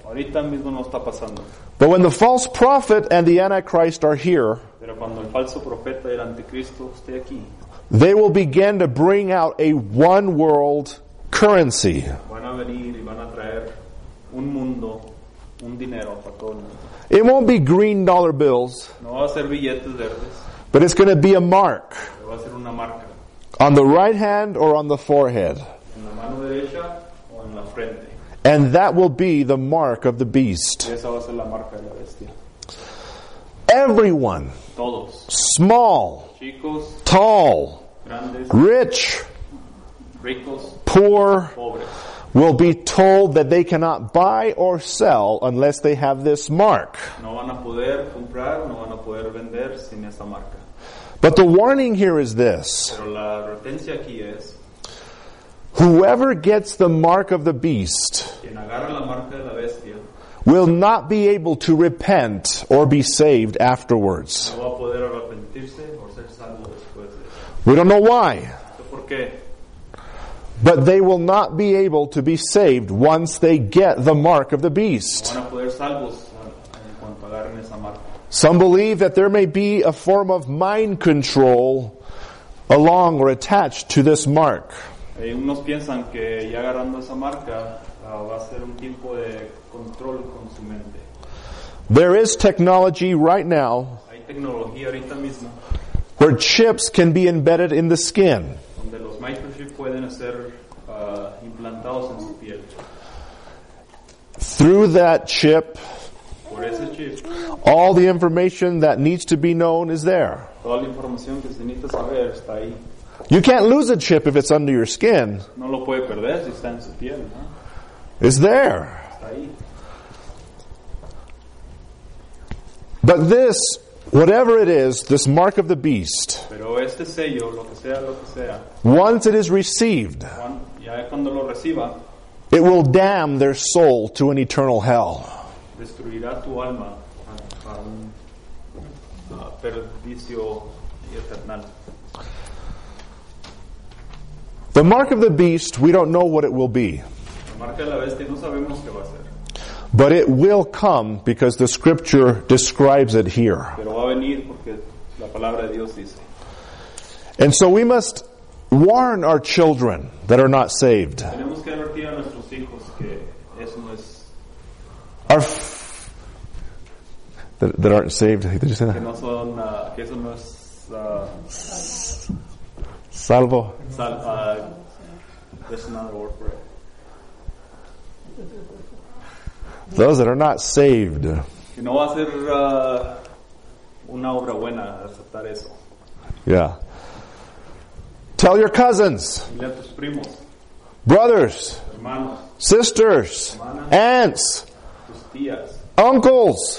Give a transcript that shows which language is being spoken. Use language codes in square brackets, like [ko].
[es] Ahorita mismo no está pasando. [en] But when the false prophet and the Antichrist are here, [es] pero cuando el falso profeta y el anticristo esté aquí, [en] they will begin to bring out a one world currency. [es] Van a venir y van a traer un mundo, un dinero para todo el mundo. [en] It won't be green dollar bills. [es] No va a ser billetes verdes. [en] But it's going to be a mark. [es] Pero va a ser una marca. [en] On the right hand or on the forehead. [es] En la mano derecha o en la frente. [en] And that will be the mark of the beast. [es] Y esa va a ser la marca de la bestia. [en] Everyone. [es] Todos. [en] Small. [es] Chicos. [en] Tall. [es] Grandes. [en] Rich. [es] Ricos. [en] Poor. [es] Pobres. [en] Will be told that they cannot buy or sell unless they have this mark. [es] No van a poder comprar, no van a poder vender sin esa marca. [en] But the warning here is this. [es] Pero la advertencia aquí es, [en] whoever gets the mark of the beast, [es] quien agarra la marca de la bestia, [en] will not be able to repent or be saved afterwards. [es] No va a poder arrepentirse o ser salvo después de eso. [en] We don't know why. [es] ¿Por qué? [en] But they will not be able to be saved once they get the mark of the beast. [es] No van a poder salvos en cuanto agarren esa marca. [en] Some believe that there may be a form of mind control along or attached to this mark. [es] Unos piensan que ya agarrando esa marca va a ser un tipo de control con su mente. [en] There is technology right now. [es] Hay tecnología ahorita mismo. [en] Where chips can be embedded in the skin. [es] Donde los microchips pueden ser implantados en su piel. [en] Through that chip, [es] por ese chip, [en] all the information that needs to be known is there. [es] Toda la información que se necesita saber está ahí. [en] You can't lose a chip if it's under your skin. [es] No lo puede perder si está en su piel, ¿no? [en] It's there. [es] Está ahí. [en] But this, whatever it is, this mark of the beast, [es] pero este sello, lo que sea, [en] once it is received, [es] ya cuando lo reciba, [en] it will damn their soul to an eternal hell. [es] Destruirá tu alma a un perdicio eternal. [en] The mark of the beast, we don't know what it will be. [es] La marca de la bestia, no sabemos qué va a ser. [en] But it will come because the scripture describes it here. [es] Pero va a venir porque la palabra de Dios dice. [en] And so we must warn our children that are not saved. [es] Tenemos que advertir a nuestros hijos que eso no es, [en] that aren't saved. Did you say that? [es] Que no son, que eso no es, salvo. [en] There's another word for it. Those that are not saved. [es] Que no va a ser una obra buena aceptar eso. [en] Yeah. Tell your cousins. [es] Dile a tus primos. [en] Brothers. [es] Hermanos. [en] Sisters. [es] Hermanas. [en] Aunts. [es] Tus tías. [en] Uncles.